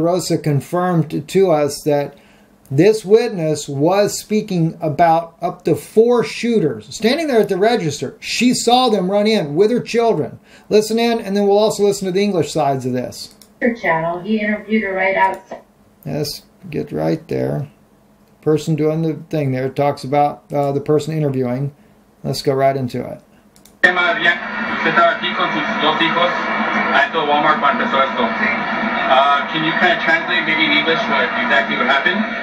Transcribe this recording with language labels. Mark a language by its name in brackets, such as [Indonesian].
[English] Rosa confirmed to us that this witness was speaking about up to four shooters standing there at the register. She saw them run in with her children. Listen in, and then we'll also listen to the English sides of this. Channel. He interviewed her right outside. Yes, get right there. Person doing the thing there talks about the person interviewing. Let's go right into it. [Spanish] Hey, Maria, usted estaba aquí con sus dos hijos adentro de Walmart cuando empezó esto. [English] Can you kind of translate maybe in English what exactly what happened?